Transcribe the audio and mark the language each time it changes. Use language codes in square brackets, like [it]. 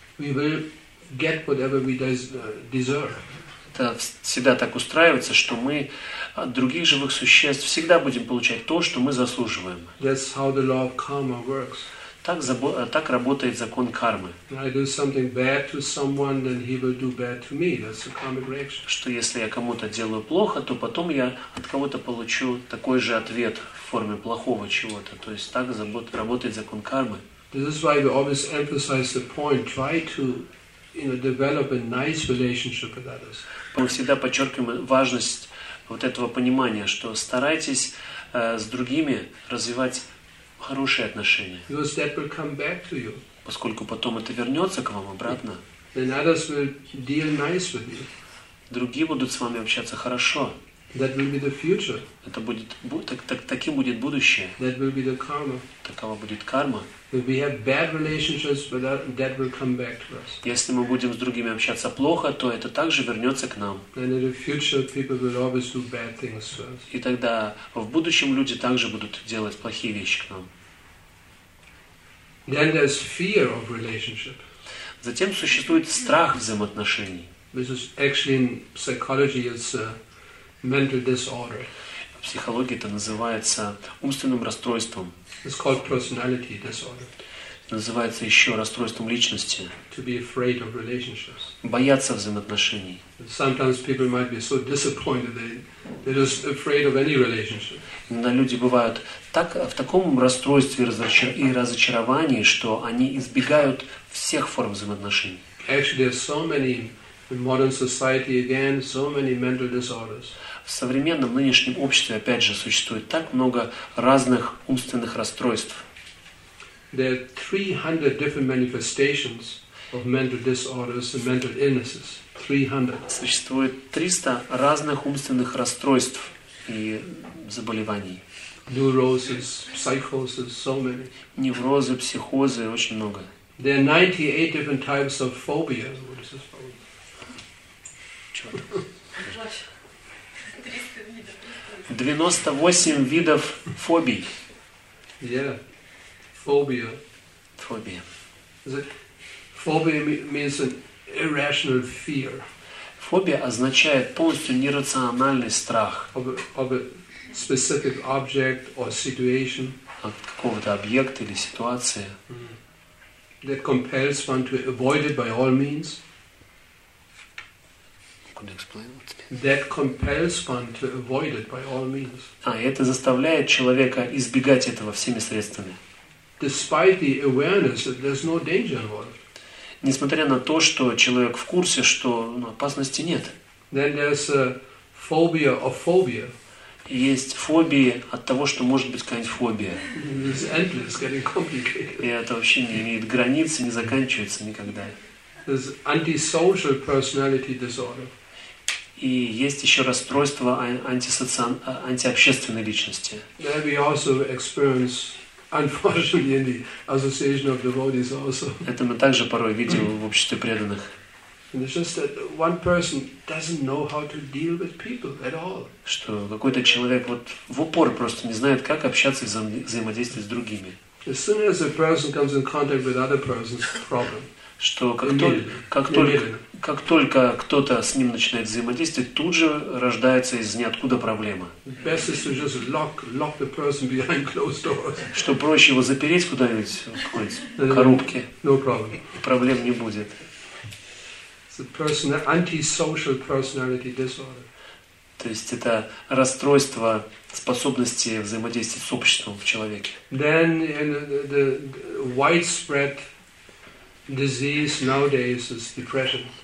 [en] We will get whatever we deserve. [ru] Это всегда так устраивается, что мы от других живых существ всегда будем получать то, что мы заслуживаем. [en] That's how the law of karma works. [ru] Так работает закон кармы. [en] I do something bad to someone, then he will do bad to me. That's a karmic reaction. [ru] Что если я кому-то делаю плохо, то потом я от кого-то получу такой же ответ в форме плохого чего-то. То есть так работает закон кармы. [en] This is why we always emphasize the point. Try to, you know, develop a nice relationship with others. [ru] Мы всегда подчеркиваем важность вот этого понимания, что старайтесь с другими развивать хорошие отношения. [en] Because that will come back to you. [ru] Поскольку потом это вернется к вам обратно. [en] Then others will deal nice with you. [ru] Другие будут с вами общаться хорошо. [en] That will be the future. [ru] Это будет таким будет будущее. [en] That will be the karma. [ru] Такова будет карма. [en] If we have bad relationships, that will come back to us. [ru] Если мы будем с другими общаться плохо, то это также вернется к нам. [en] And in the future, people will always do bad things to us. [ru] И тогда в будущем люди также будут делать плохие вещи к нам. [en] Then there's fear of relationship. [ru] Затем существует страх взаимоотношений. [en] This is actually in psychology it's a mental disorder. [ru] В психологии это называется умственным расстройством. [en] It's called personality disorder. [ru] Называется еще расстройством личности. [en] To be afraid of relationships. [ru] Бояться взаимоотношений. [en] Sometimes people might be so disappointed they're just afraid of any relationship. [ru] Иногда люди бывают так в таком расстройстве и разочаровании, что они избегают всех форм взаимоотношений. [en] Actually, there's so many in modern society again, so many mental disorders. [ru] В современном нынешнем обществе опять же существует так много разных умственных расстройств. [en] There are 300 different manifestations of mental disorders and mental illnesses. [ru] 300. Существует 300 разных умственных расстройств и заболеваний. [en] Neuroses, psychoses, so many. [ru] Неврозы, психозы, очень много. [en] There are 98 different types of phobia. What is this phobia? [ru] 98 видов фобий. [en] Yeah. Phobia. Phobia. Phobia means an irrational fear. [ru] Фобия означает полностью нерациональный страх. [en] Of a specific object or situation. [ru] От какого-то объекта или ситуации. [en] That compels one to avoid it by all means. Could you explain what it is? That compels one to avoid it by all means. [ru] А, это заставляет человека избегать этого всеми средствами. [en] Despite the awareness that there's no danger involved. [ru] Несмотря на то, что человек в курсе, что опасности нет. [en] Then there's a phobia of phobia. [ru] Есть фобии от того, что может быть какая-нибудь фобия. [en] It's endless, getting complicated. [ru] И это вообще не имеет границ и не заканчивается никогда. [en] There's antisocial personality disorder. [ru] И есть еще расстройство антиобщественной личности. [en] There we also experience, unfortunately, in the association of devotees also. [ru] Это мы также порой видим в обществе преданных. [en] And it's just that one person doesn't know how to deal with people at all. [ru] Что какой-то человек вот в упор просто не знает, как общаться и взаимодействовать с другими. [en] As soon as a person comes in contact with other persons, problem. [ru] Что как только кто-то с ним начинает взаимодействовать, тут же рождается из ниоткуда проблема. [en] Best is to just lock the person behind closed doors. [ru] Что проще его запереть куда-нибудь в коробке. [en] No problem. [ru] Проблем не будет. [en] Antisocial personality disorder. [ru] То есть это расстройство способности взаимодействовать с обществом в человеке. [en] Then the widespread disease nowadays is depression.